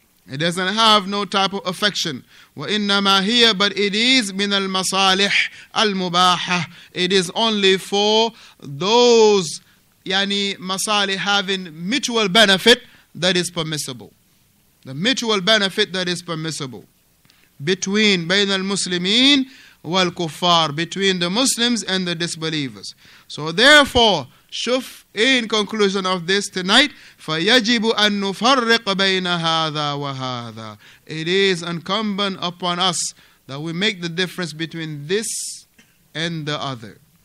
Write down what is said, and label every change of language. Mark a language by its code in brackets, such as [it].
[en] It doesn't have no type of affection. [ar] وَإِنَّمَا هِيَ. [en] But it is [ar] من المصالح المباحة. [en] It is only for those, مصالح, having mutual benefit that is permissible. The mutual benefit that is permissible. Between, [ar] بين المسلمين والكفار. [en] Between the Muslims and the disbelievers. So therefore, شوف, in conclusion of this tonight, [ar] فَيَجِبُ أَن نُفَرِّقَ بَيْنَ هَذَا وَهَذَا. [en] It is incumbent upon us that we make the difference between this and the other.